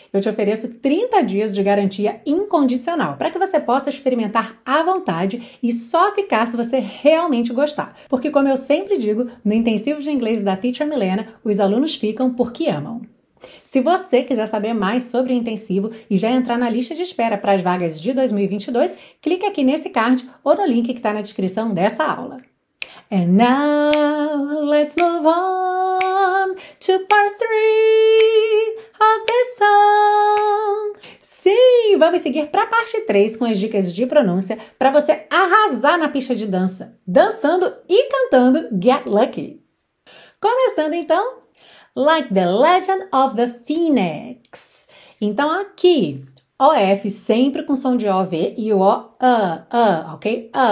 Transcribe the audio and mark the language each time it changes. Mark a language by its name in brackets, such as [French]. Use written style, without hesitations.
[Portuguese] Eu te ofereço 30 dias de garantia incondicional, para que você possa experimentar à vontade e só ficar se você realmente gostar. Porque, como eu sempre digo, no intensivo de inglês da Teacher Milena, os alunos ficam porque amam. Se você quiser saber mais sobre o intensivo e já entrar na lista de espera para as vagas de 2022, clique aqui nesse card ou no link que está na descrição dessa aula. [English] And now let's move on to part 3 of this song. [Portuguese] Sim, vamos seguir para a parte 3 com as dicas de pronúncia para você arrasar na pista de dança, dançando e cantando Get Lucky. Começando então, [English] Like the Legend of the Phoenix. [Portuguese] Então aqui, OF sempre com som de OV e o O, ok?